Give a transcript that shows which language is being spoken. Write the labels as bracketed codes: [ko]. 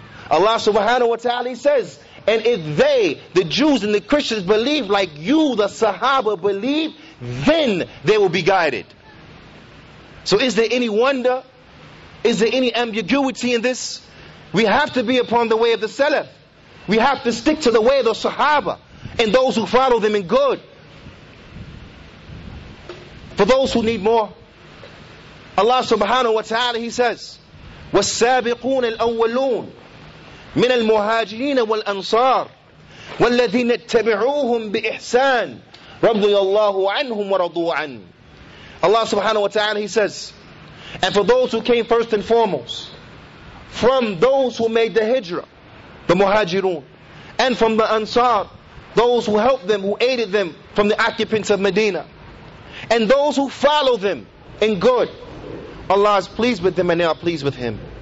[en] Allah subhanahu wa ta'ala, He says, and if they, the Jews and the Christians, believe like you, the Sahaba believe, then they will be guided. So is there any wonder? Is there any ambiguity in this? We have to be upon the way of the Salaf. We have to stick to the way of the Sahaba and those who follow them in good. For those who need more, Allah subhanahu wa ta'ala, He says, [ar] وَالسَّابِقُونَ الْأَوَّلُونَ مِنَ الْمُهَاجِرِينَ وَالْأَنصَارِ وَالَّذِينَ اتَّبِعُوهُمْ بِإِحْسَانٍ رَضِيَ اللَّهُ عَنْهُمْ وَرَضُوا عَنْهُ. [en] Allah subhanahu wa ta'ala, He says, and for those who came first and foremost, from those who made the hijrah, the muhajirun, and from the ansar, those who helped them, who aided them from the occupants of Medina, and those who follow them in good, Allah is pleased with them and they are pleased with Him.